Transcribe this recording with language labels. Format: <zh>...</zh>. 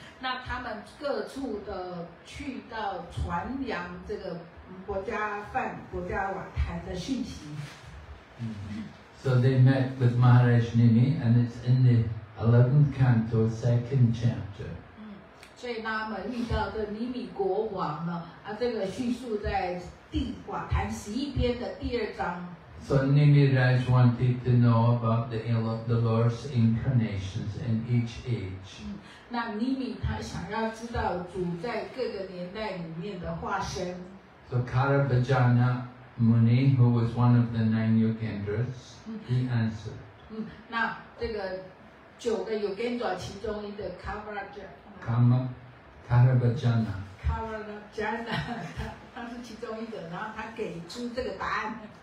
<zh>那他们各处的去到传扬这个博迦梵、博迦瓦坛的讯息。</zh> <en>So they met with Maharaj Nini, and it's in the 11th canto, 2nd chapter.</en> <zh>所以他们遇到这尼米国王呢，啊，这个叙述在地瓦坛十一篇的第二章。</zh> <en>So Nimiraj wanted to know about the Lord's incarnations in each age.</en> <zh>那尼米他想要知道主在各个年代里面的化身。</zh> <en>So Karavajana Muni, who was one of the nine Yogendras, he answered.</en> <zh>那这个九个 Yogendra 其中一个</zh> <en>Karavajana.</en> <zh>Karavajana, 他是其中一个，然后他给出这个答案。</zh>